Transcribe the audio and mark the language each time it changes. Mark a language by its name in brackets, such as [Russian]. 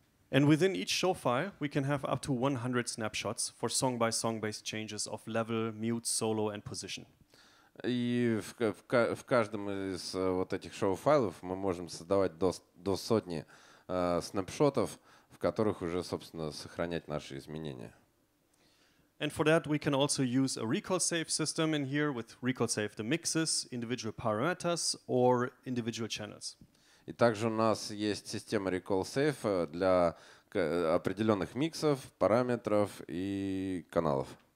[English] And within each show file, we can have up to 100 snapshots for song by song based changes of level, mute, solo, and position. [Russian] И в каждом из вот этих шоу файлов мы можем создавать до сотни снапшотов, в которых уже, собственно, сохранять наши изменения. [English] And for that, we can also use a recall save system in here with recall save the mixes, individual parameters, or individual channels. [Russian] И также у нас есть система Recall Save для определенных миксов, параметров и каналов.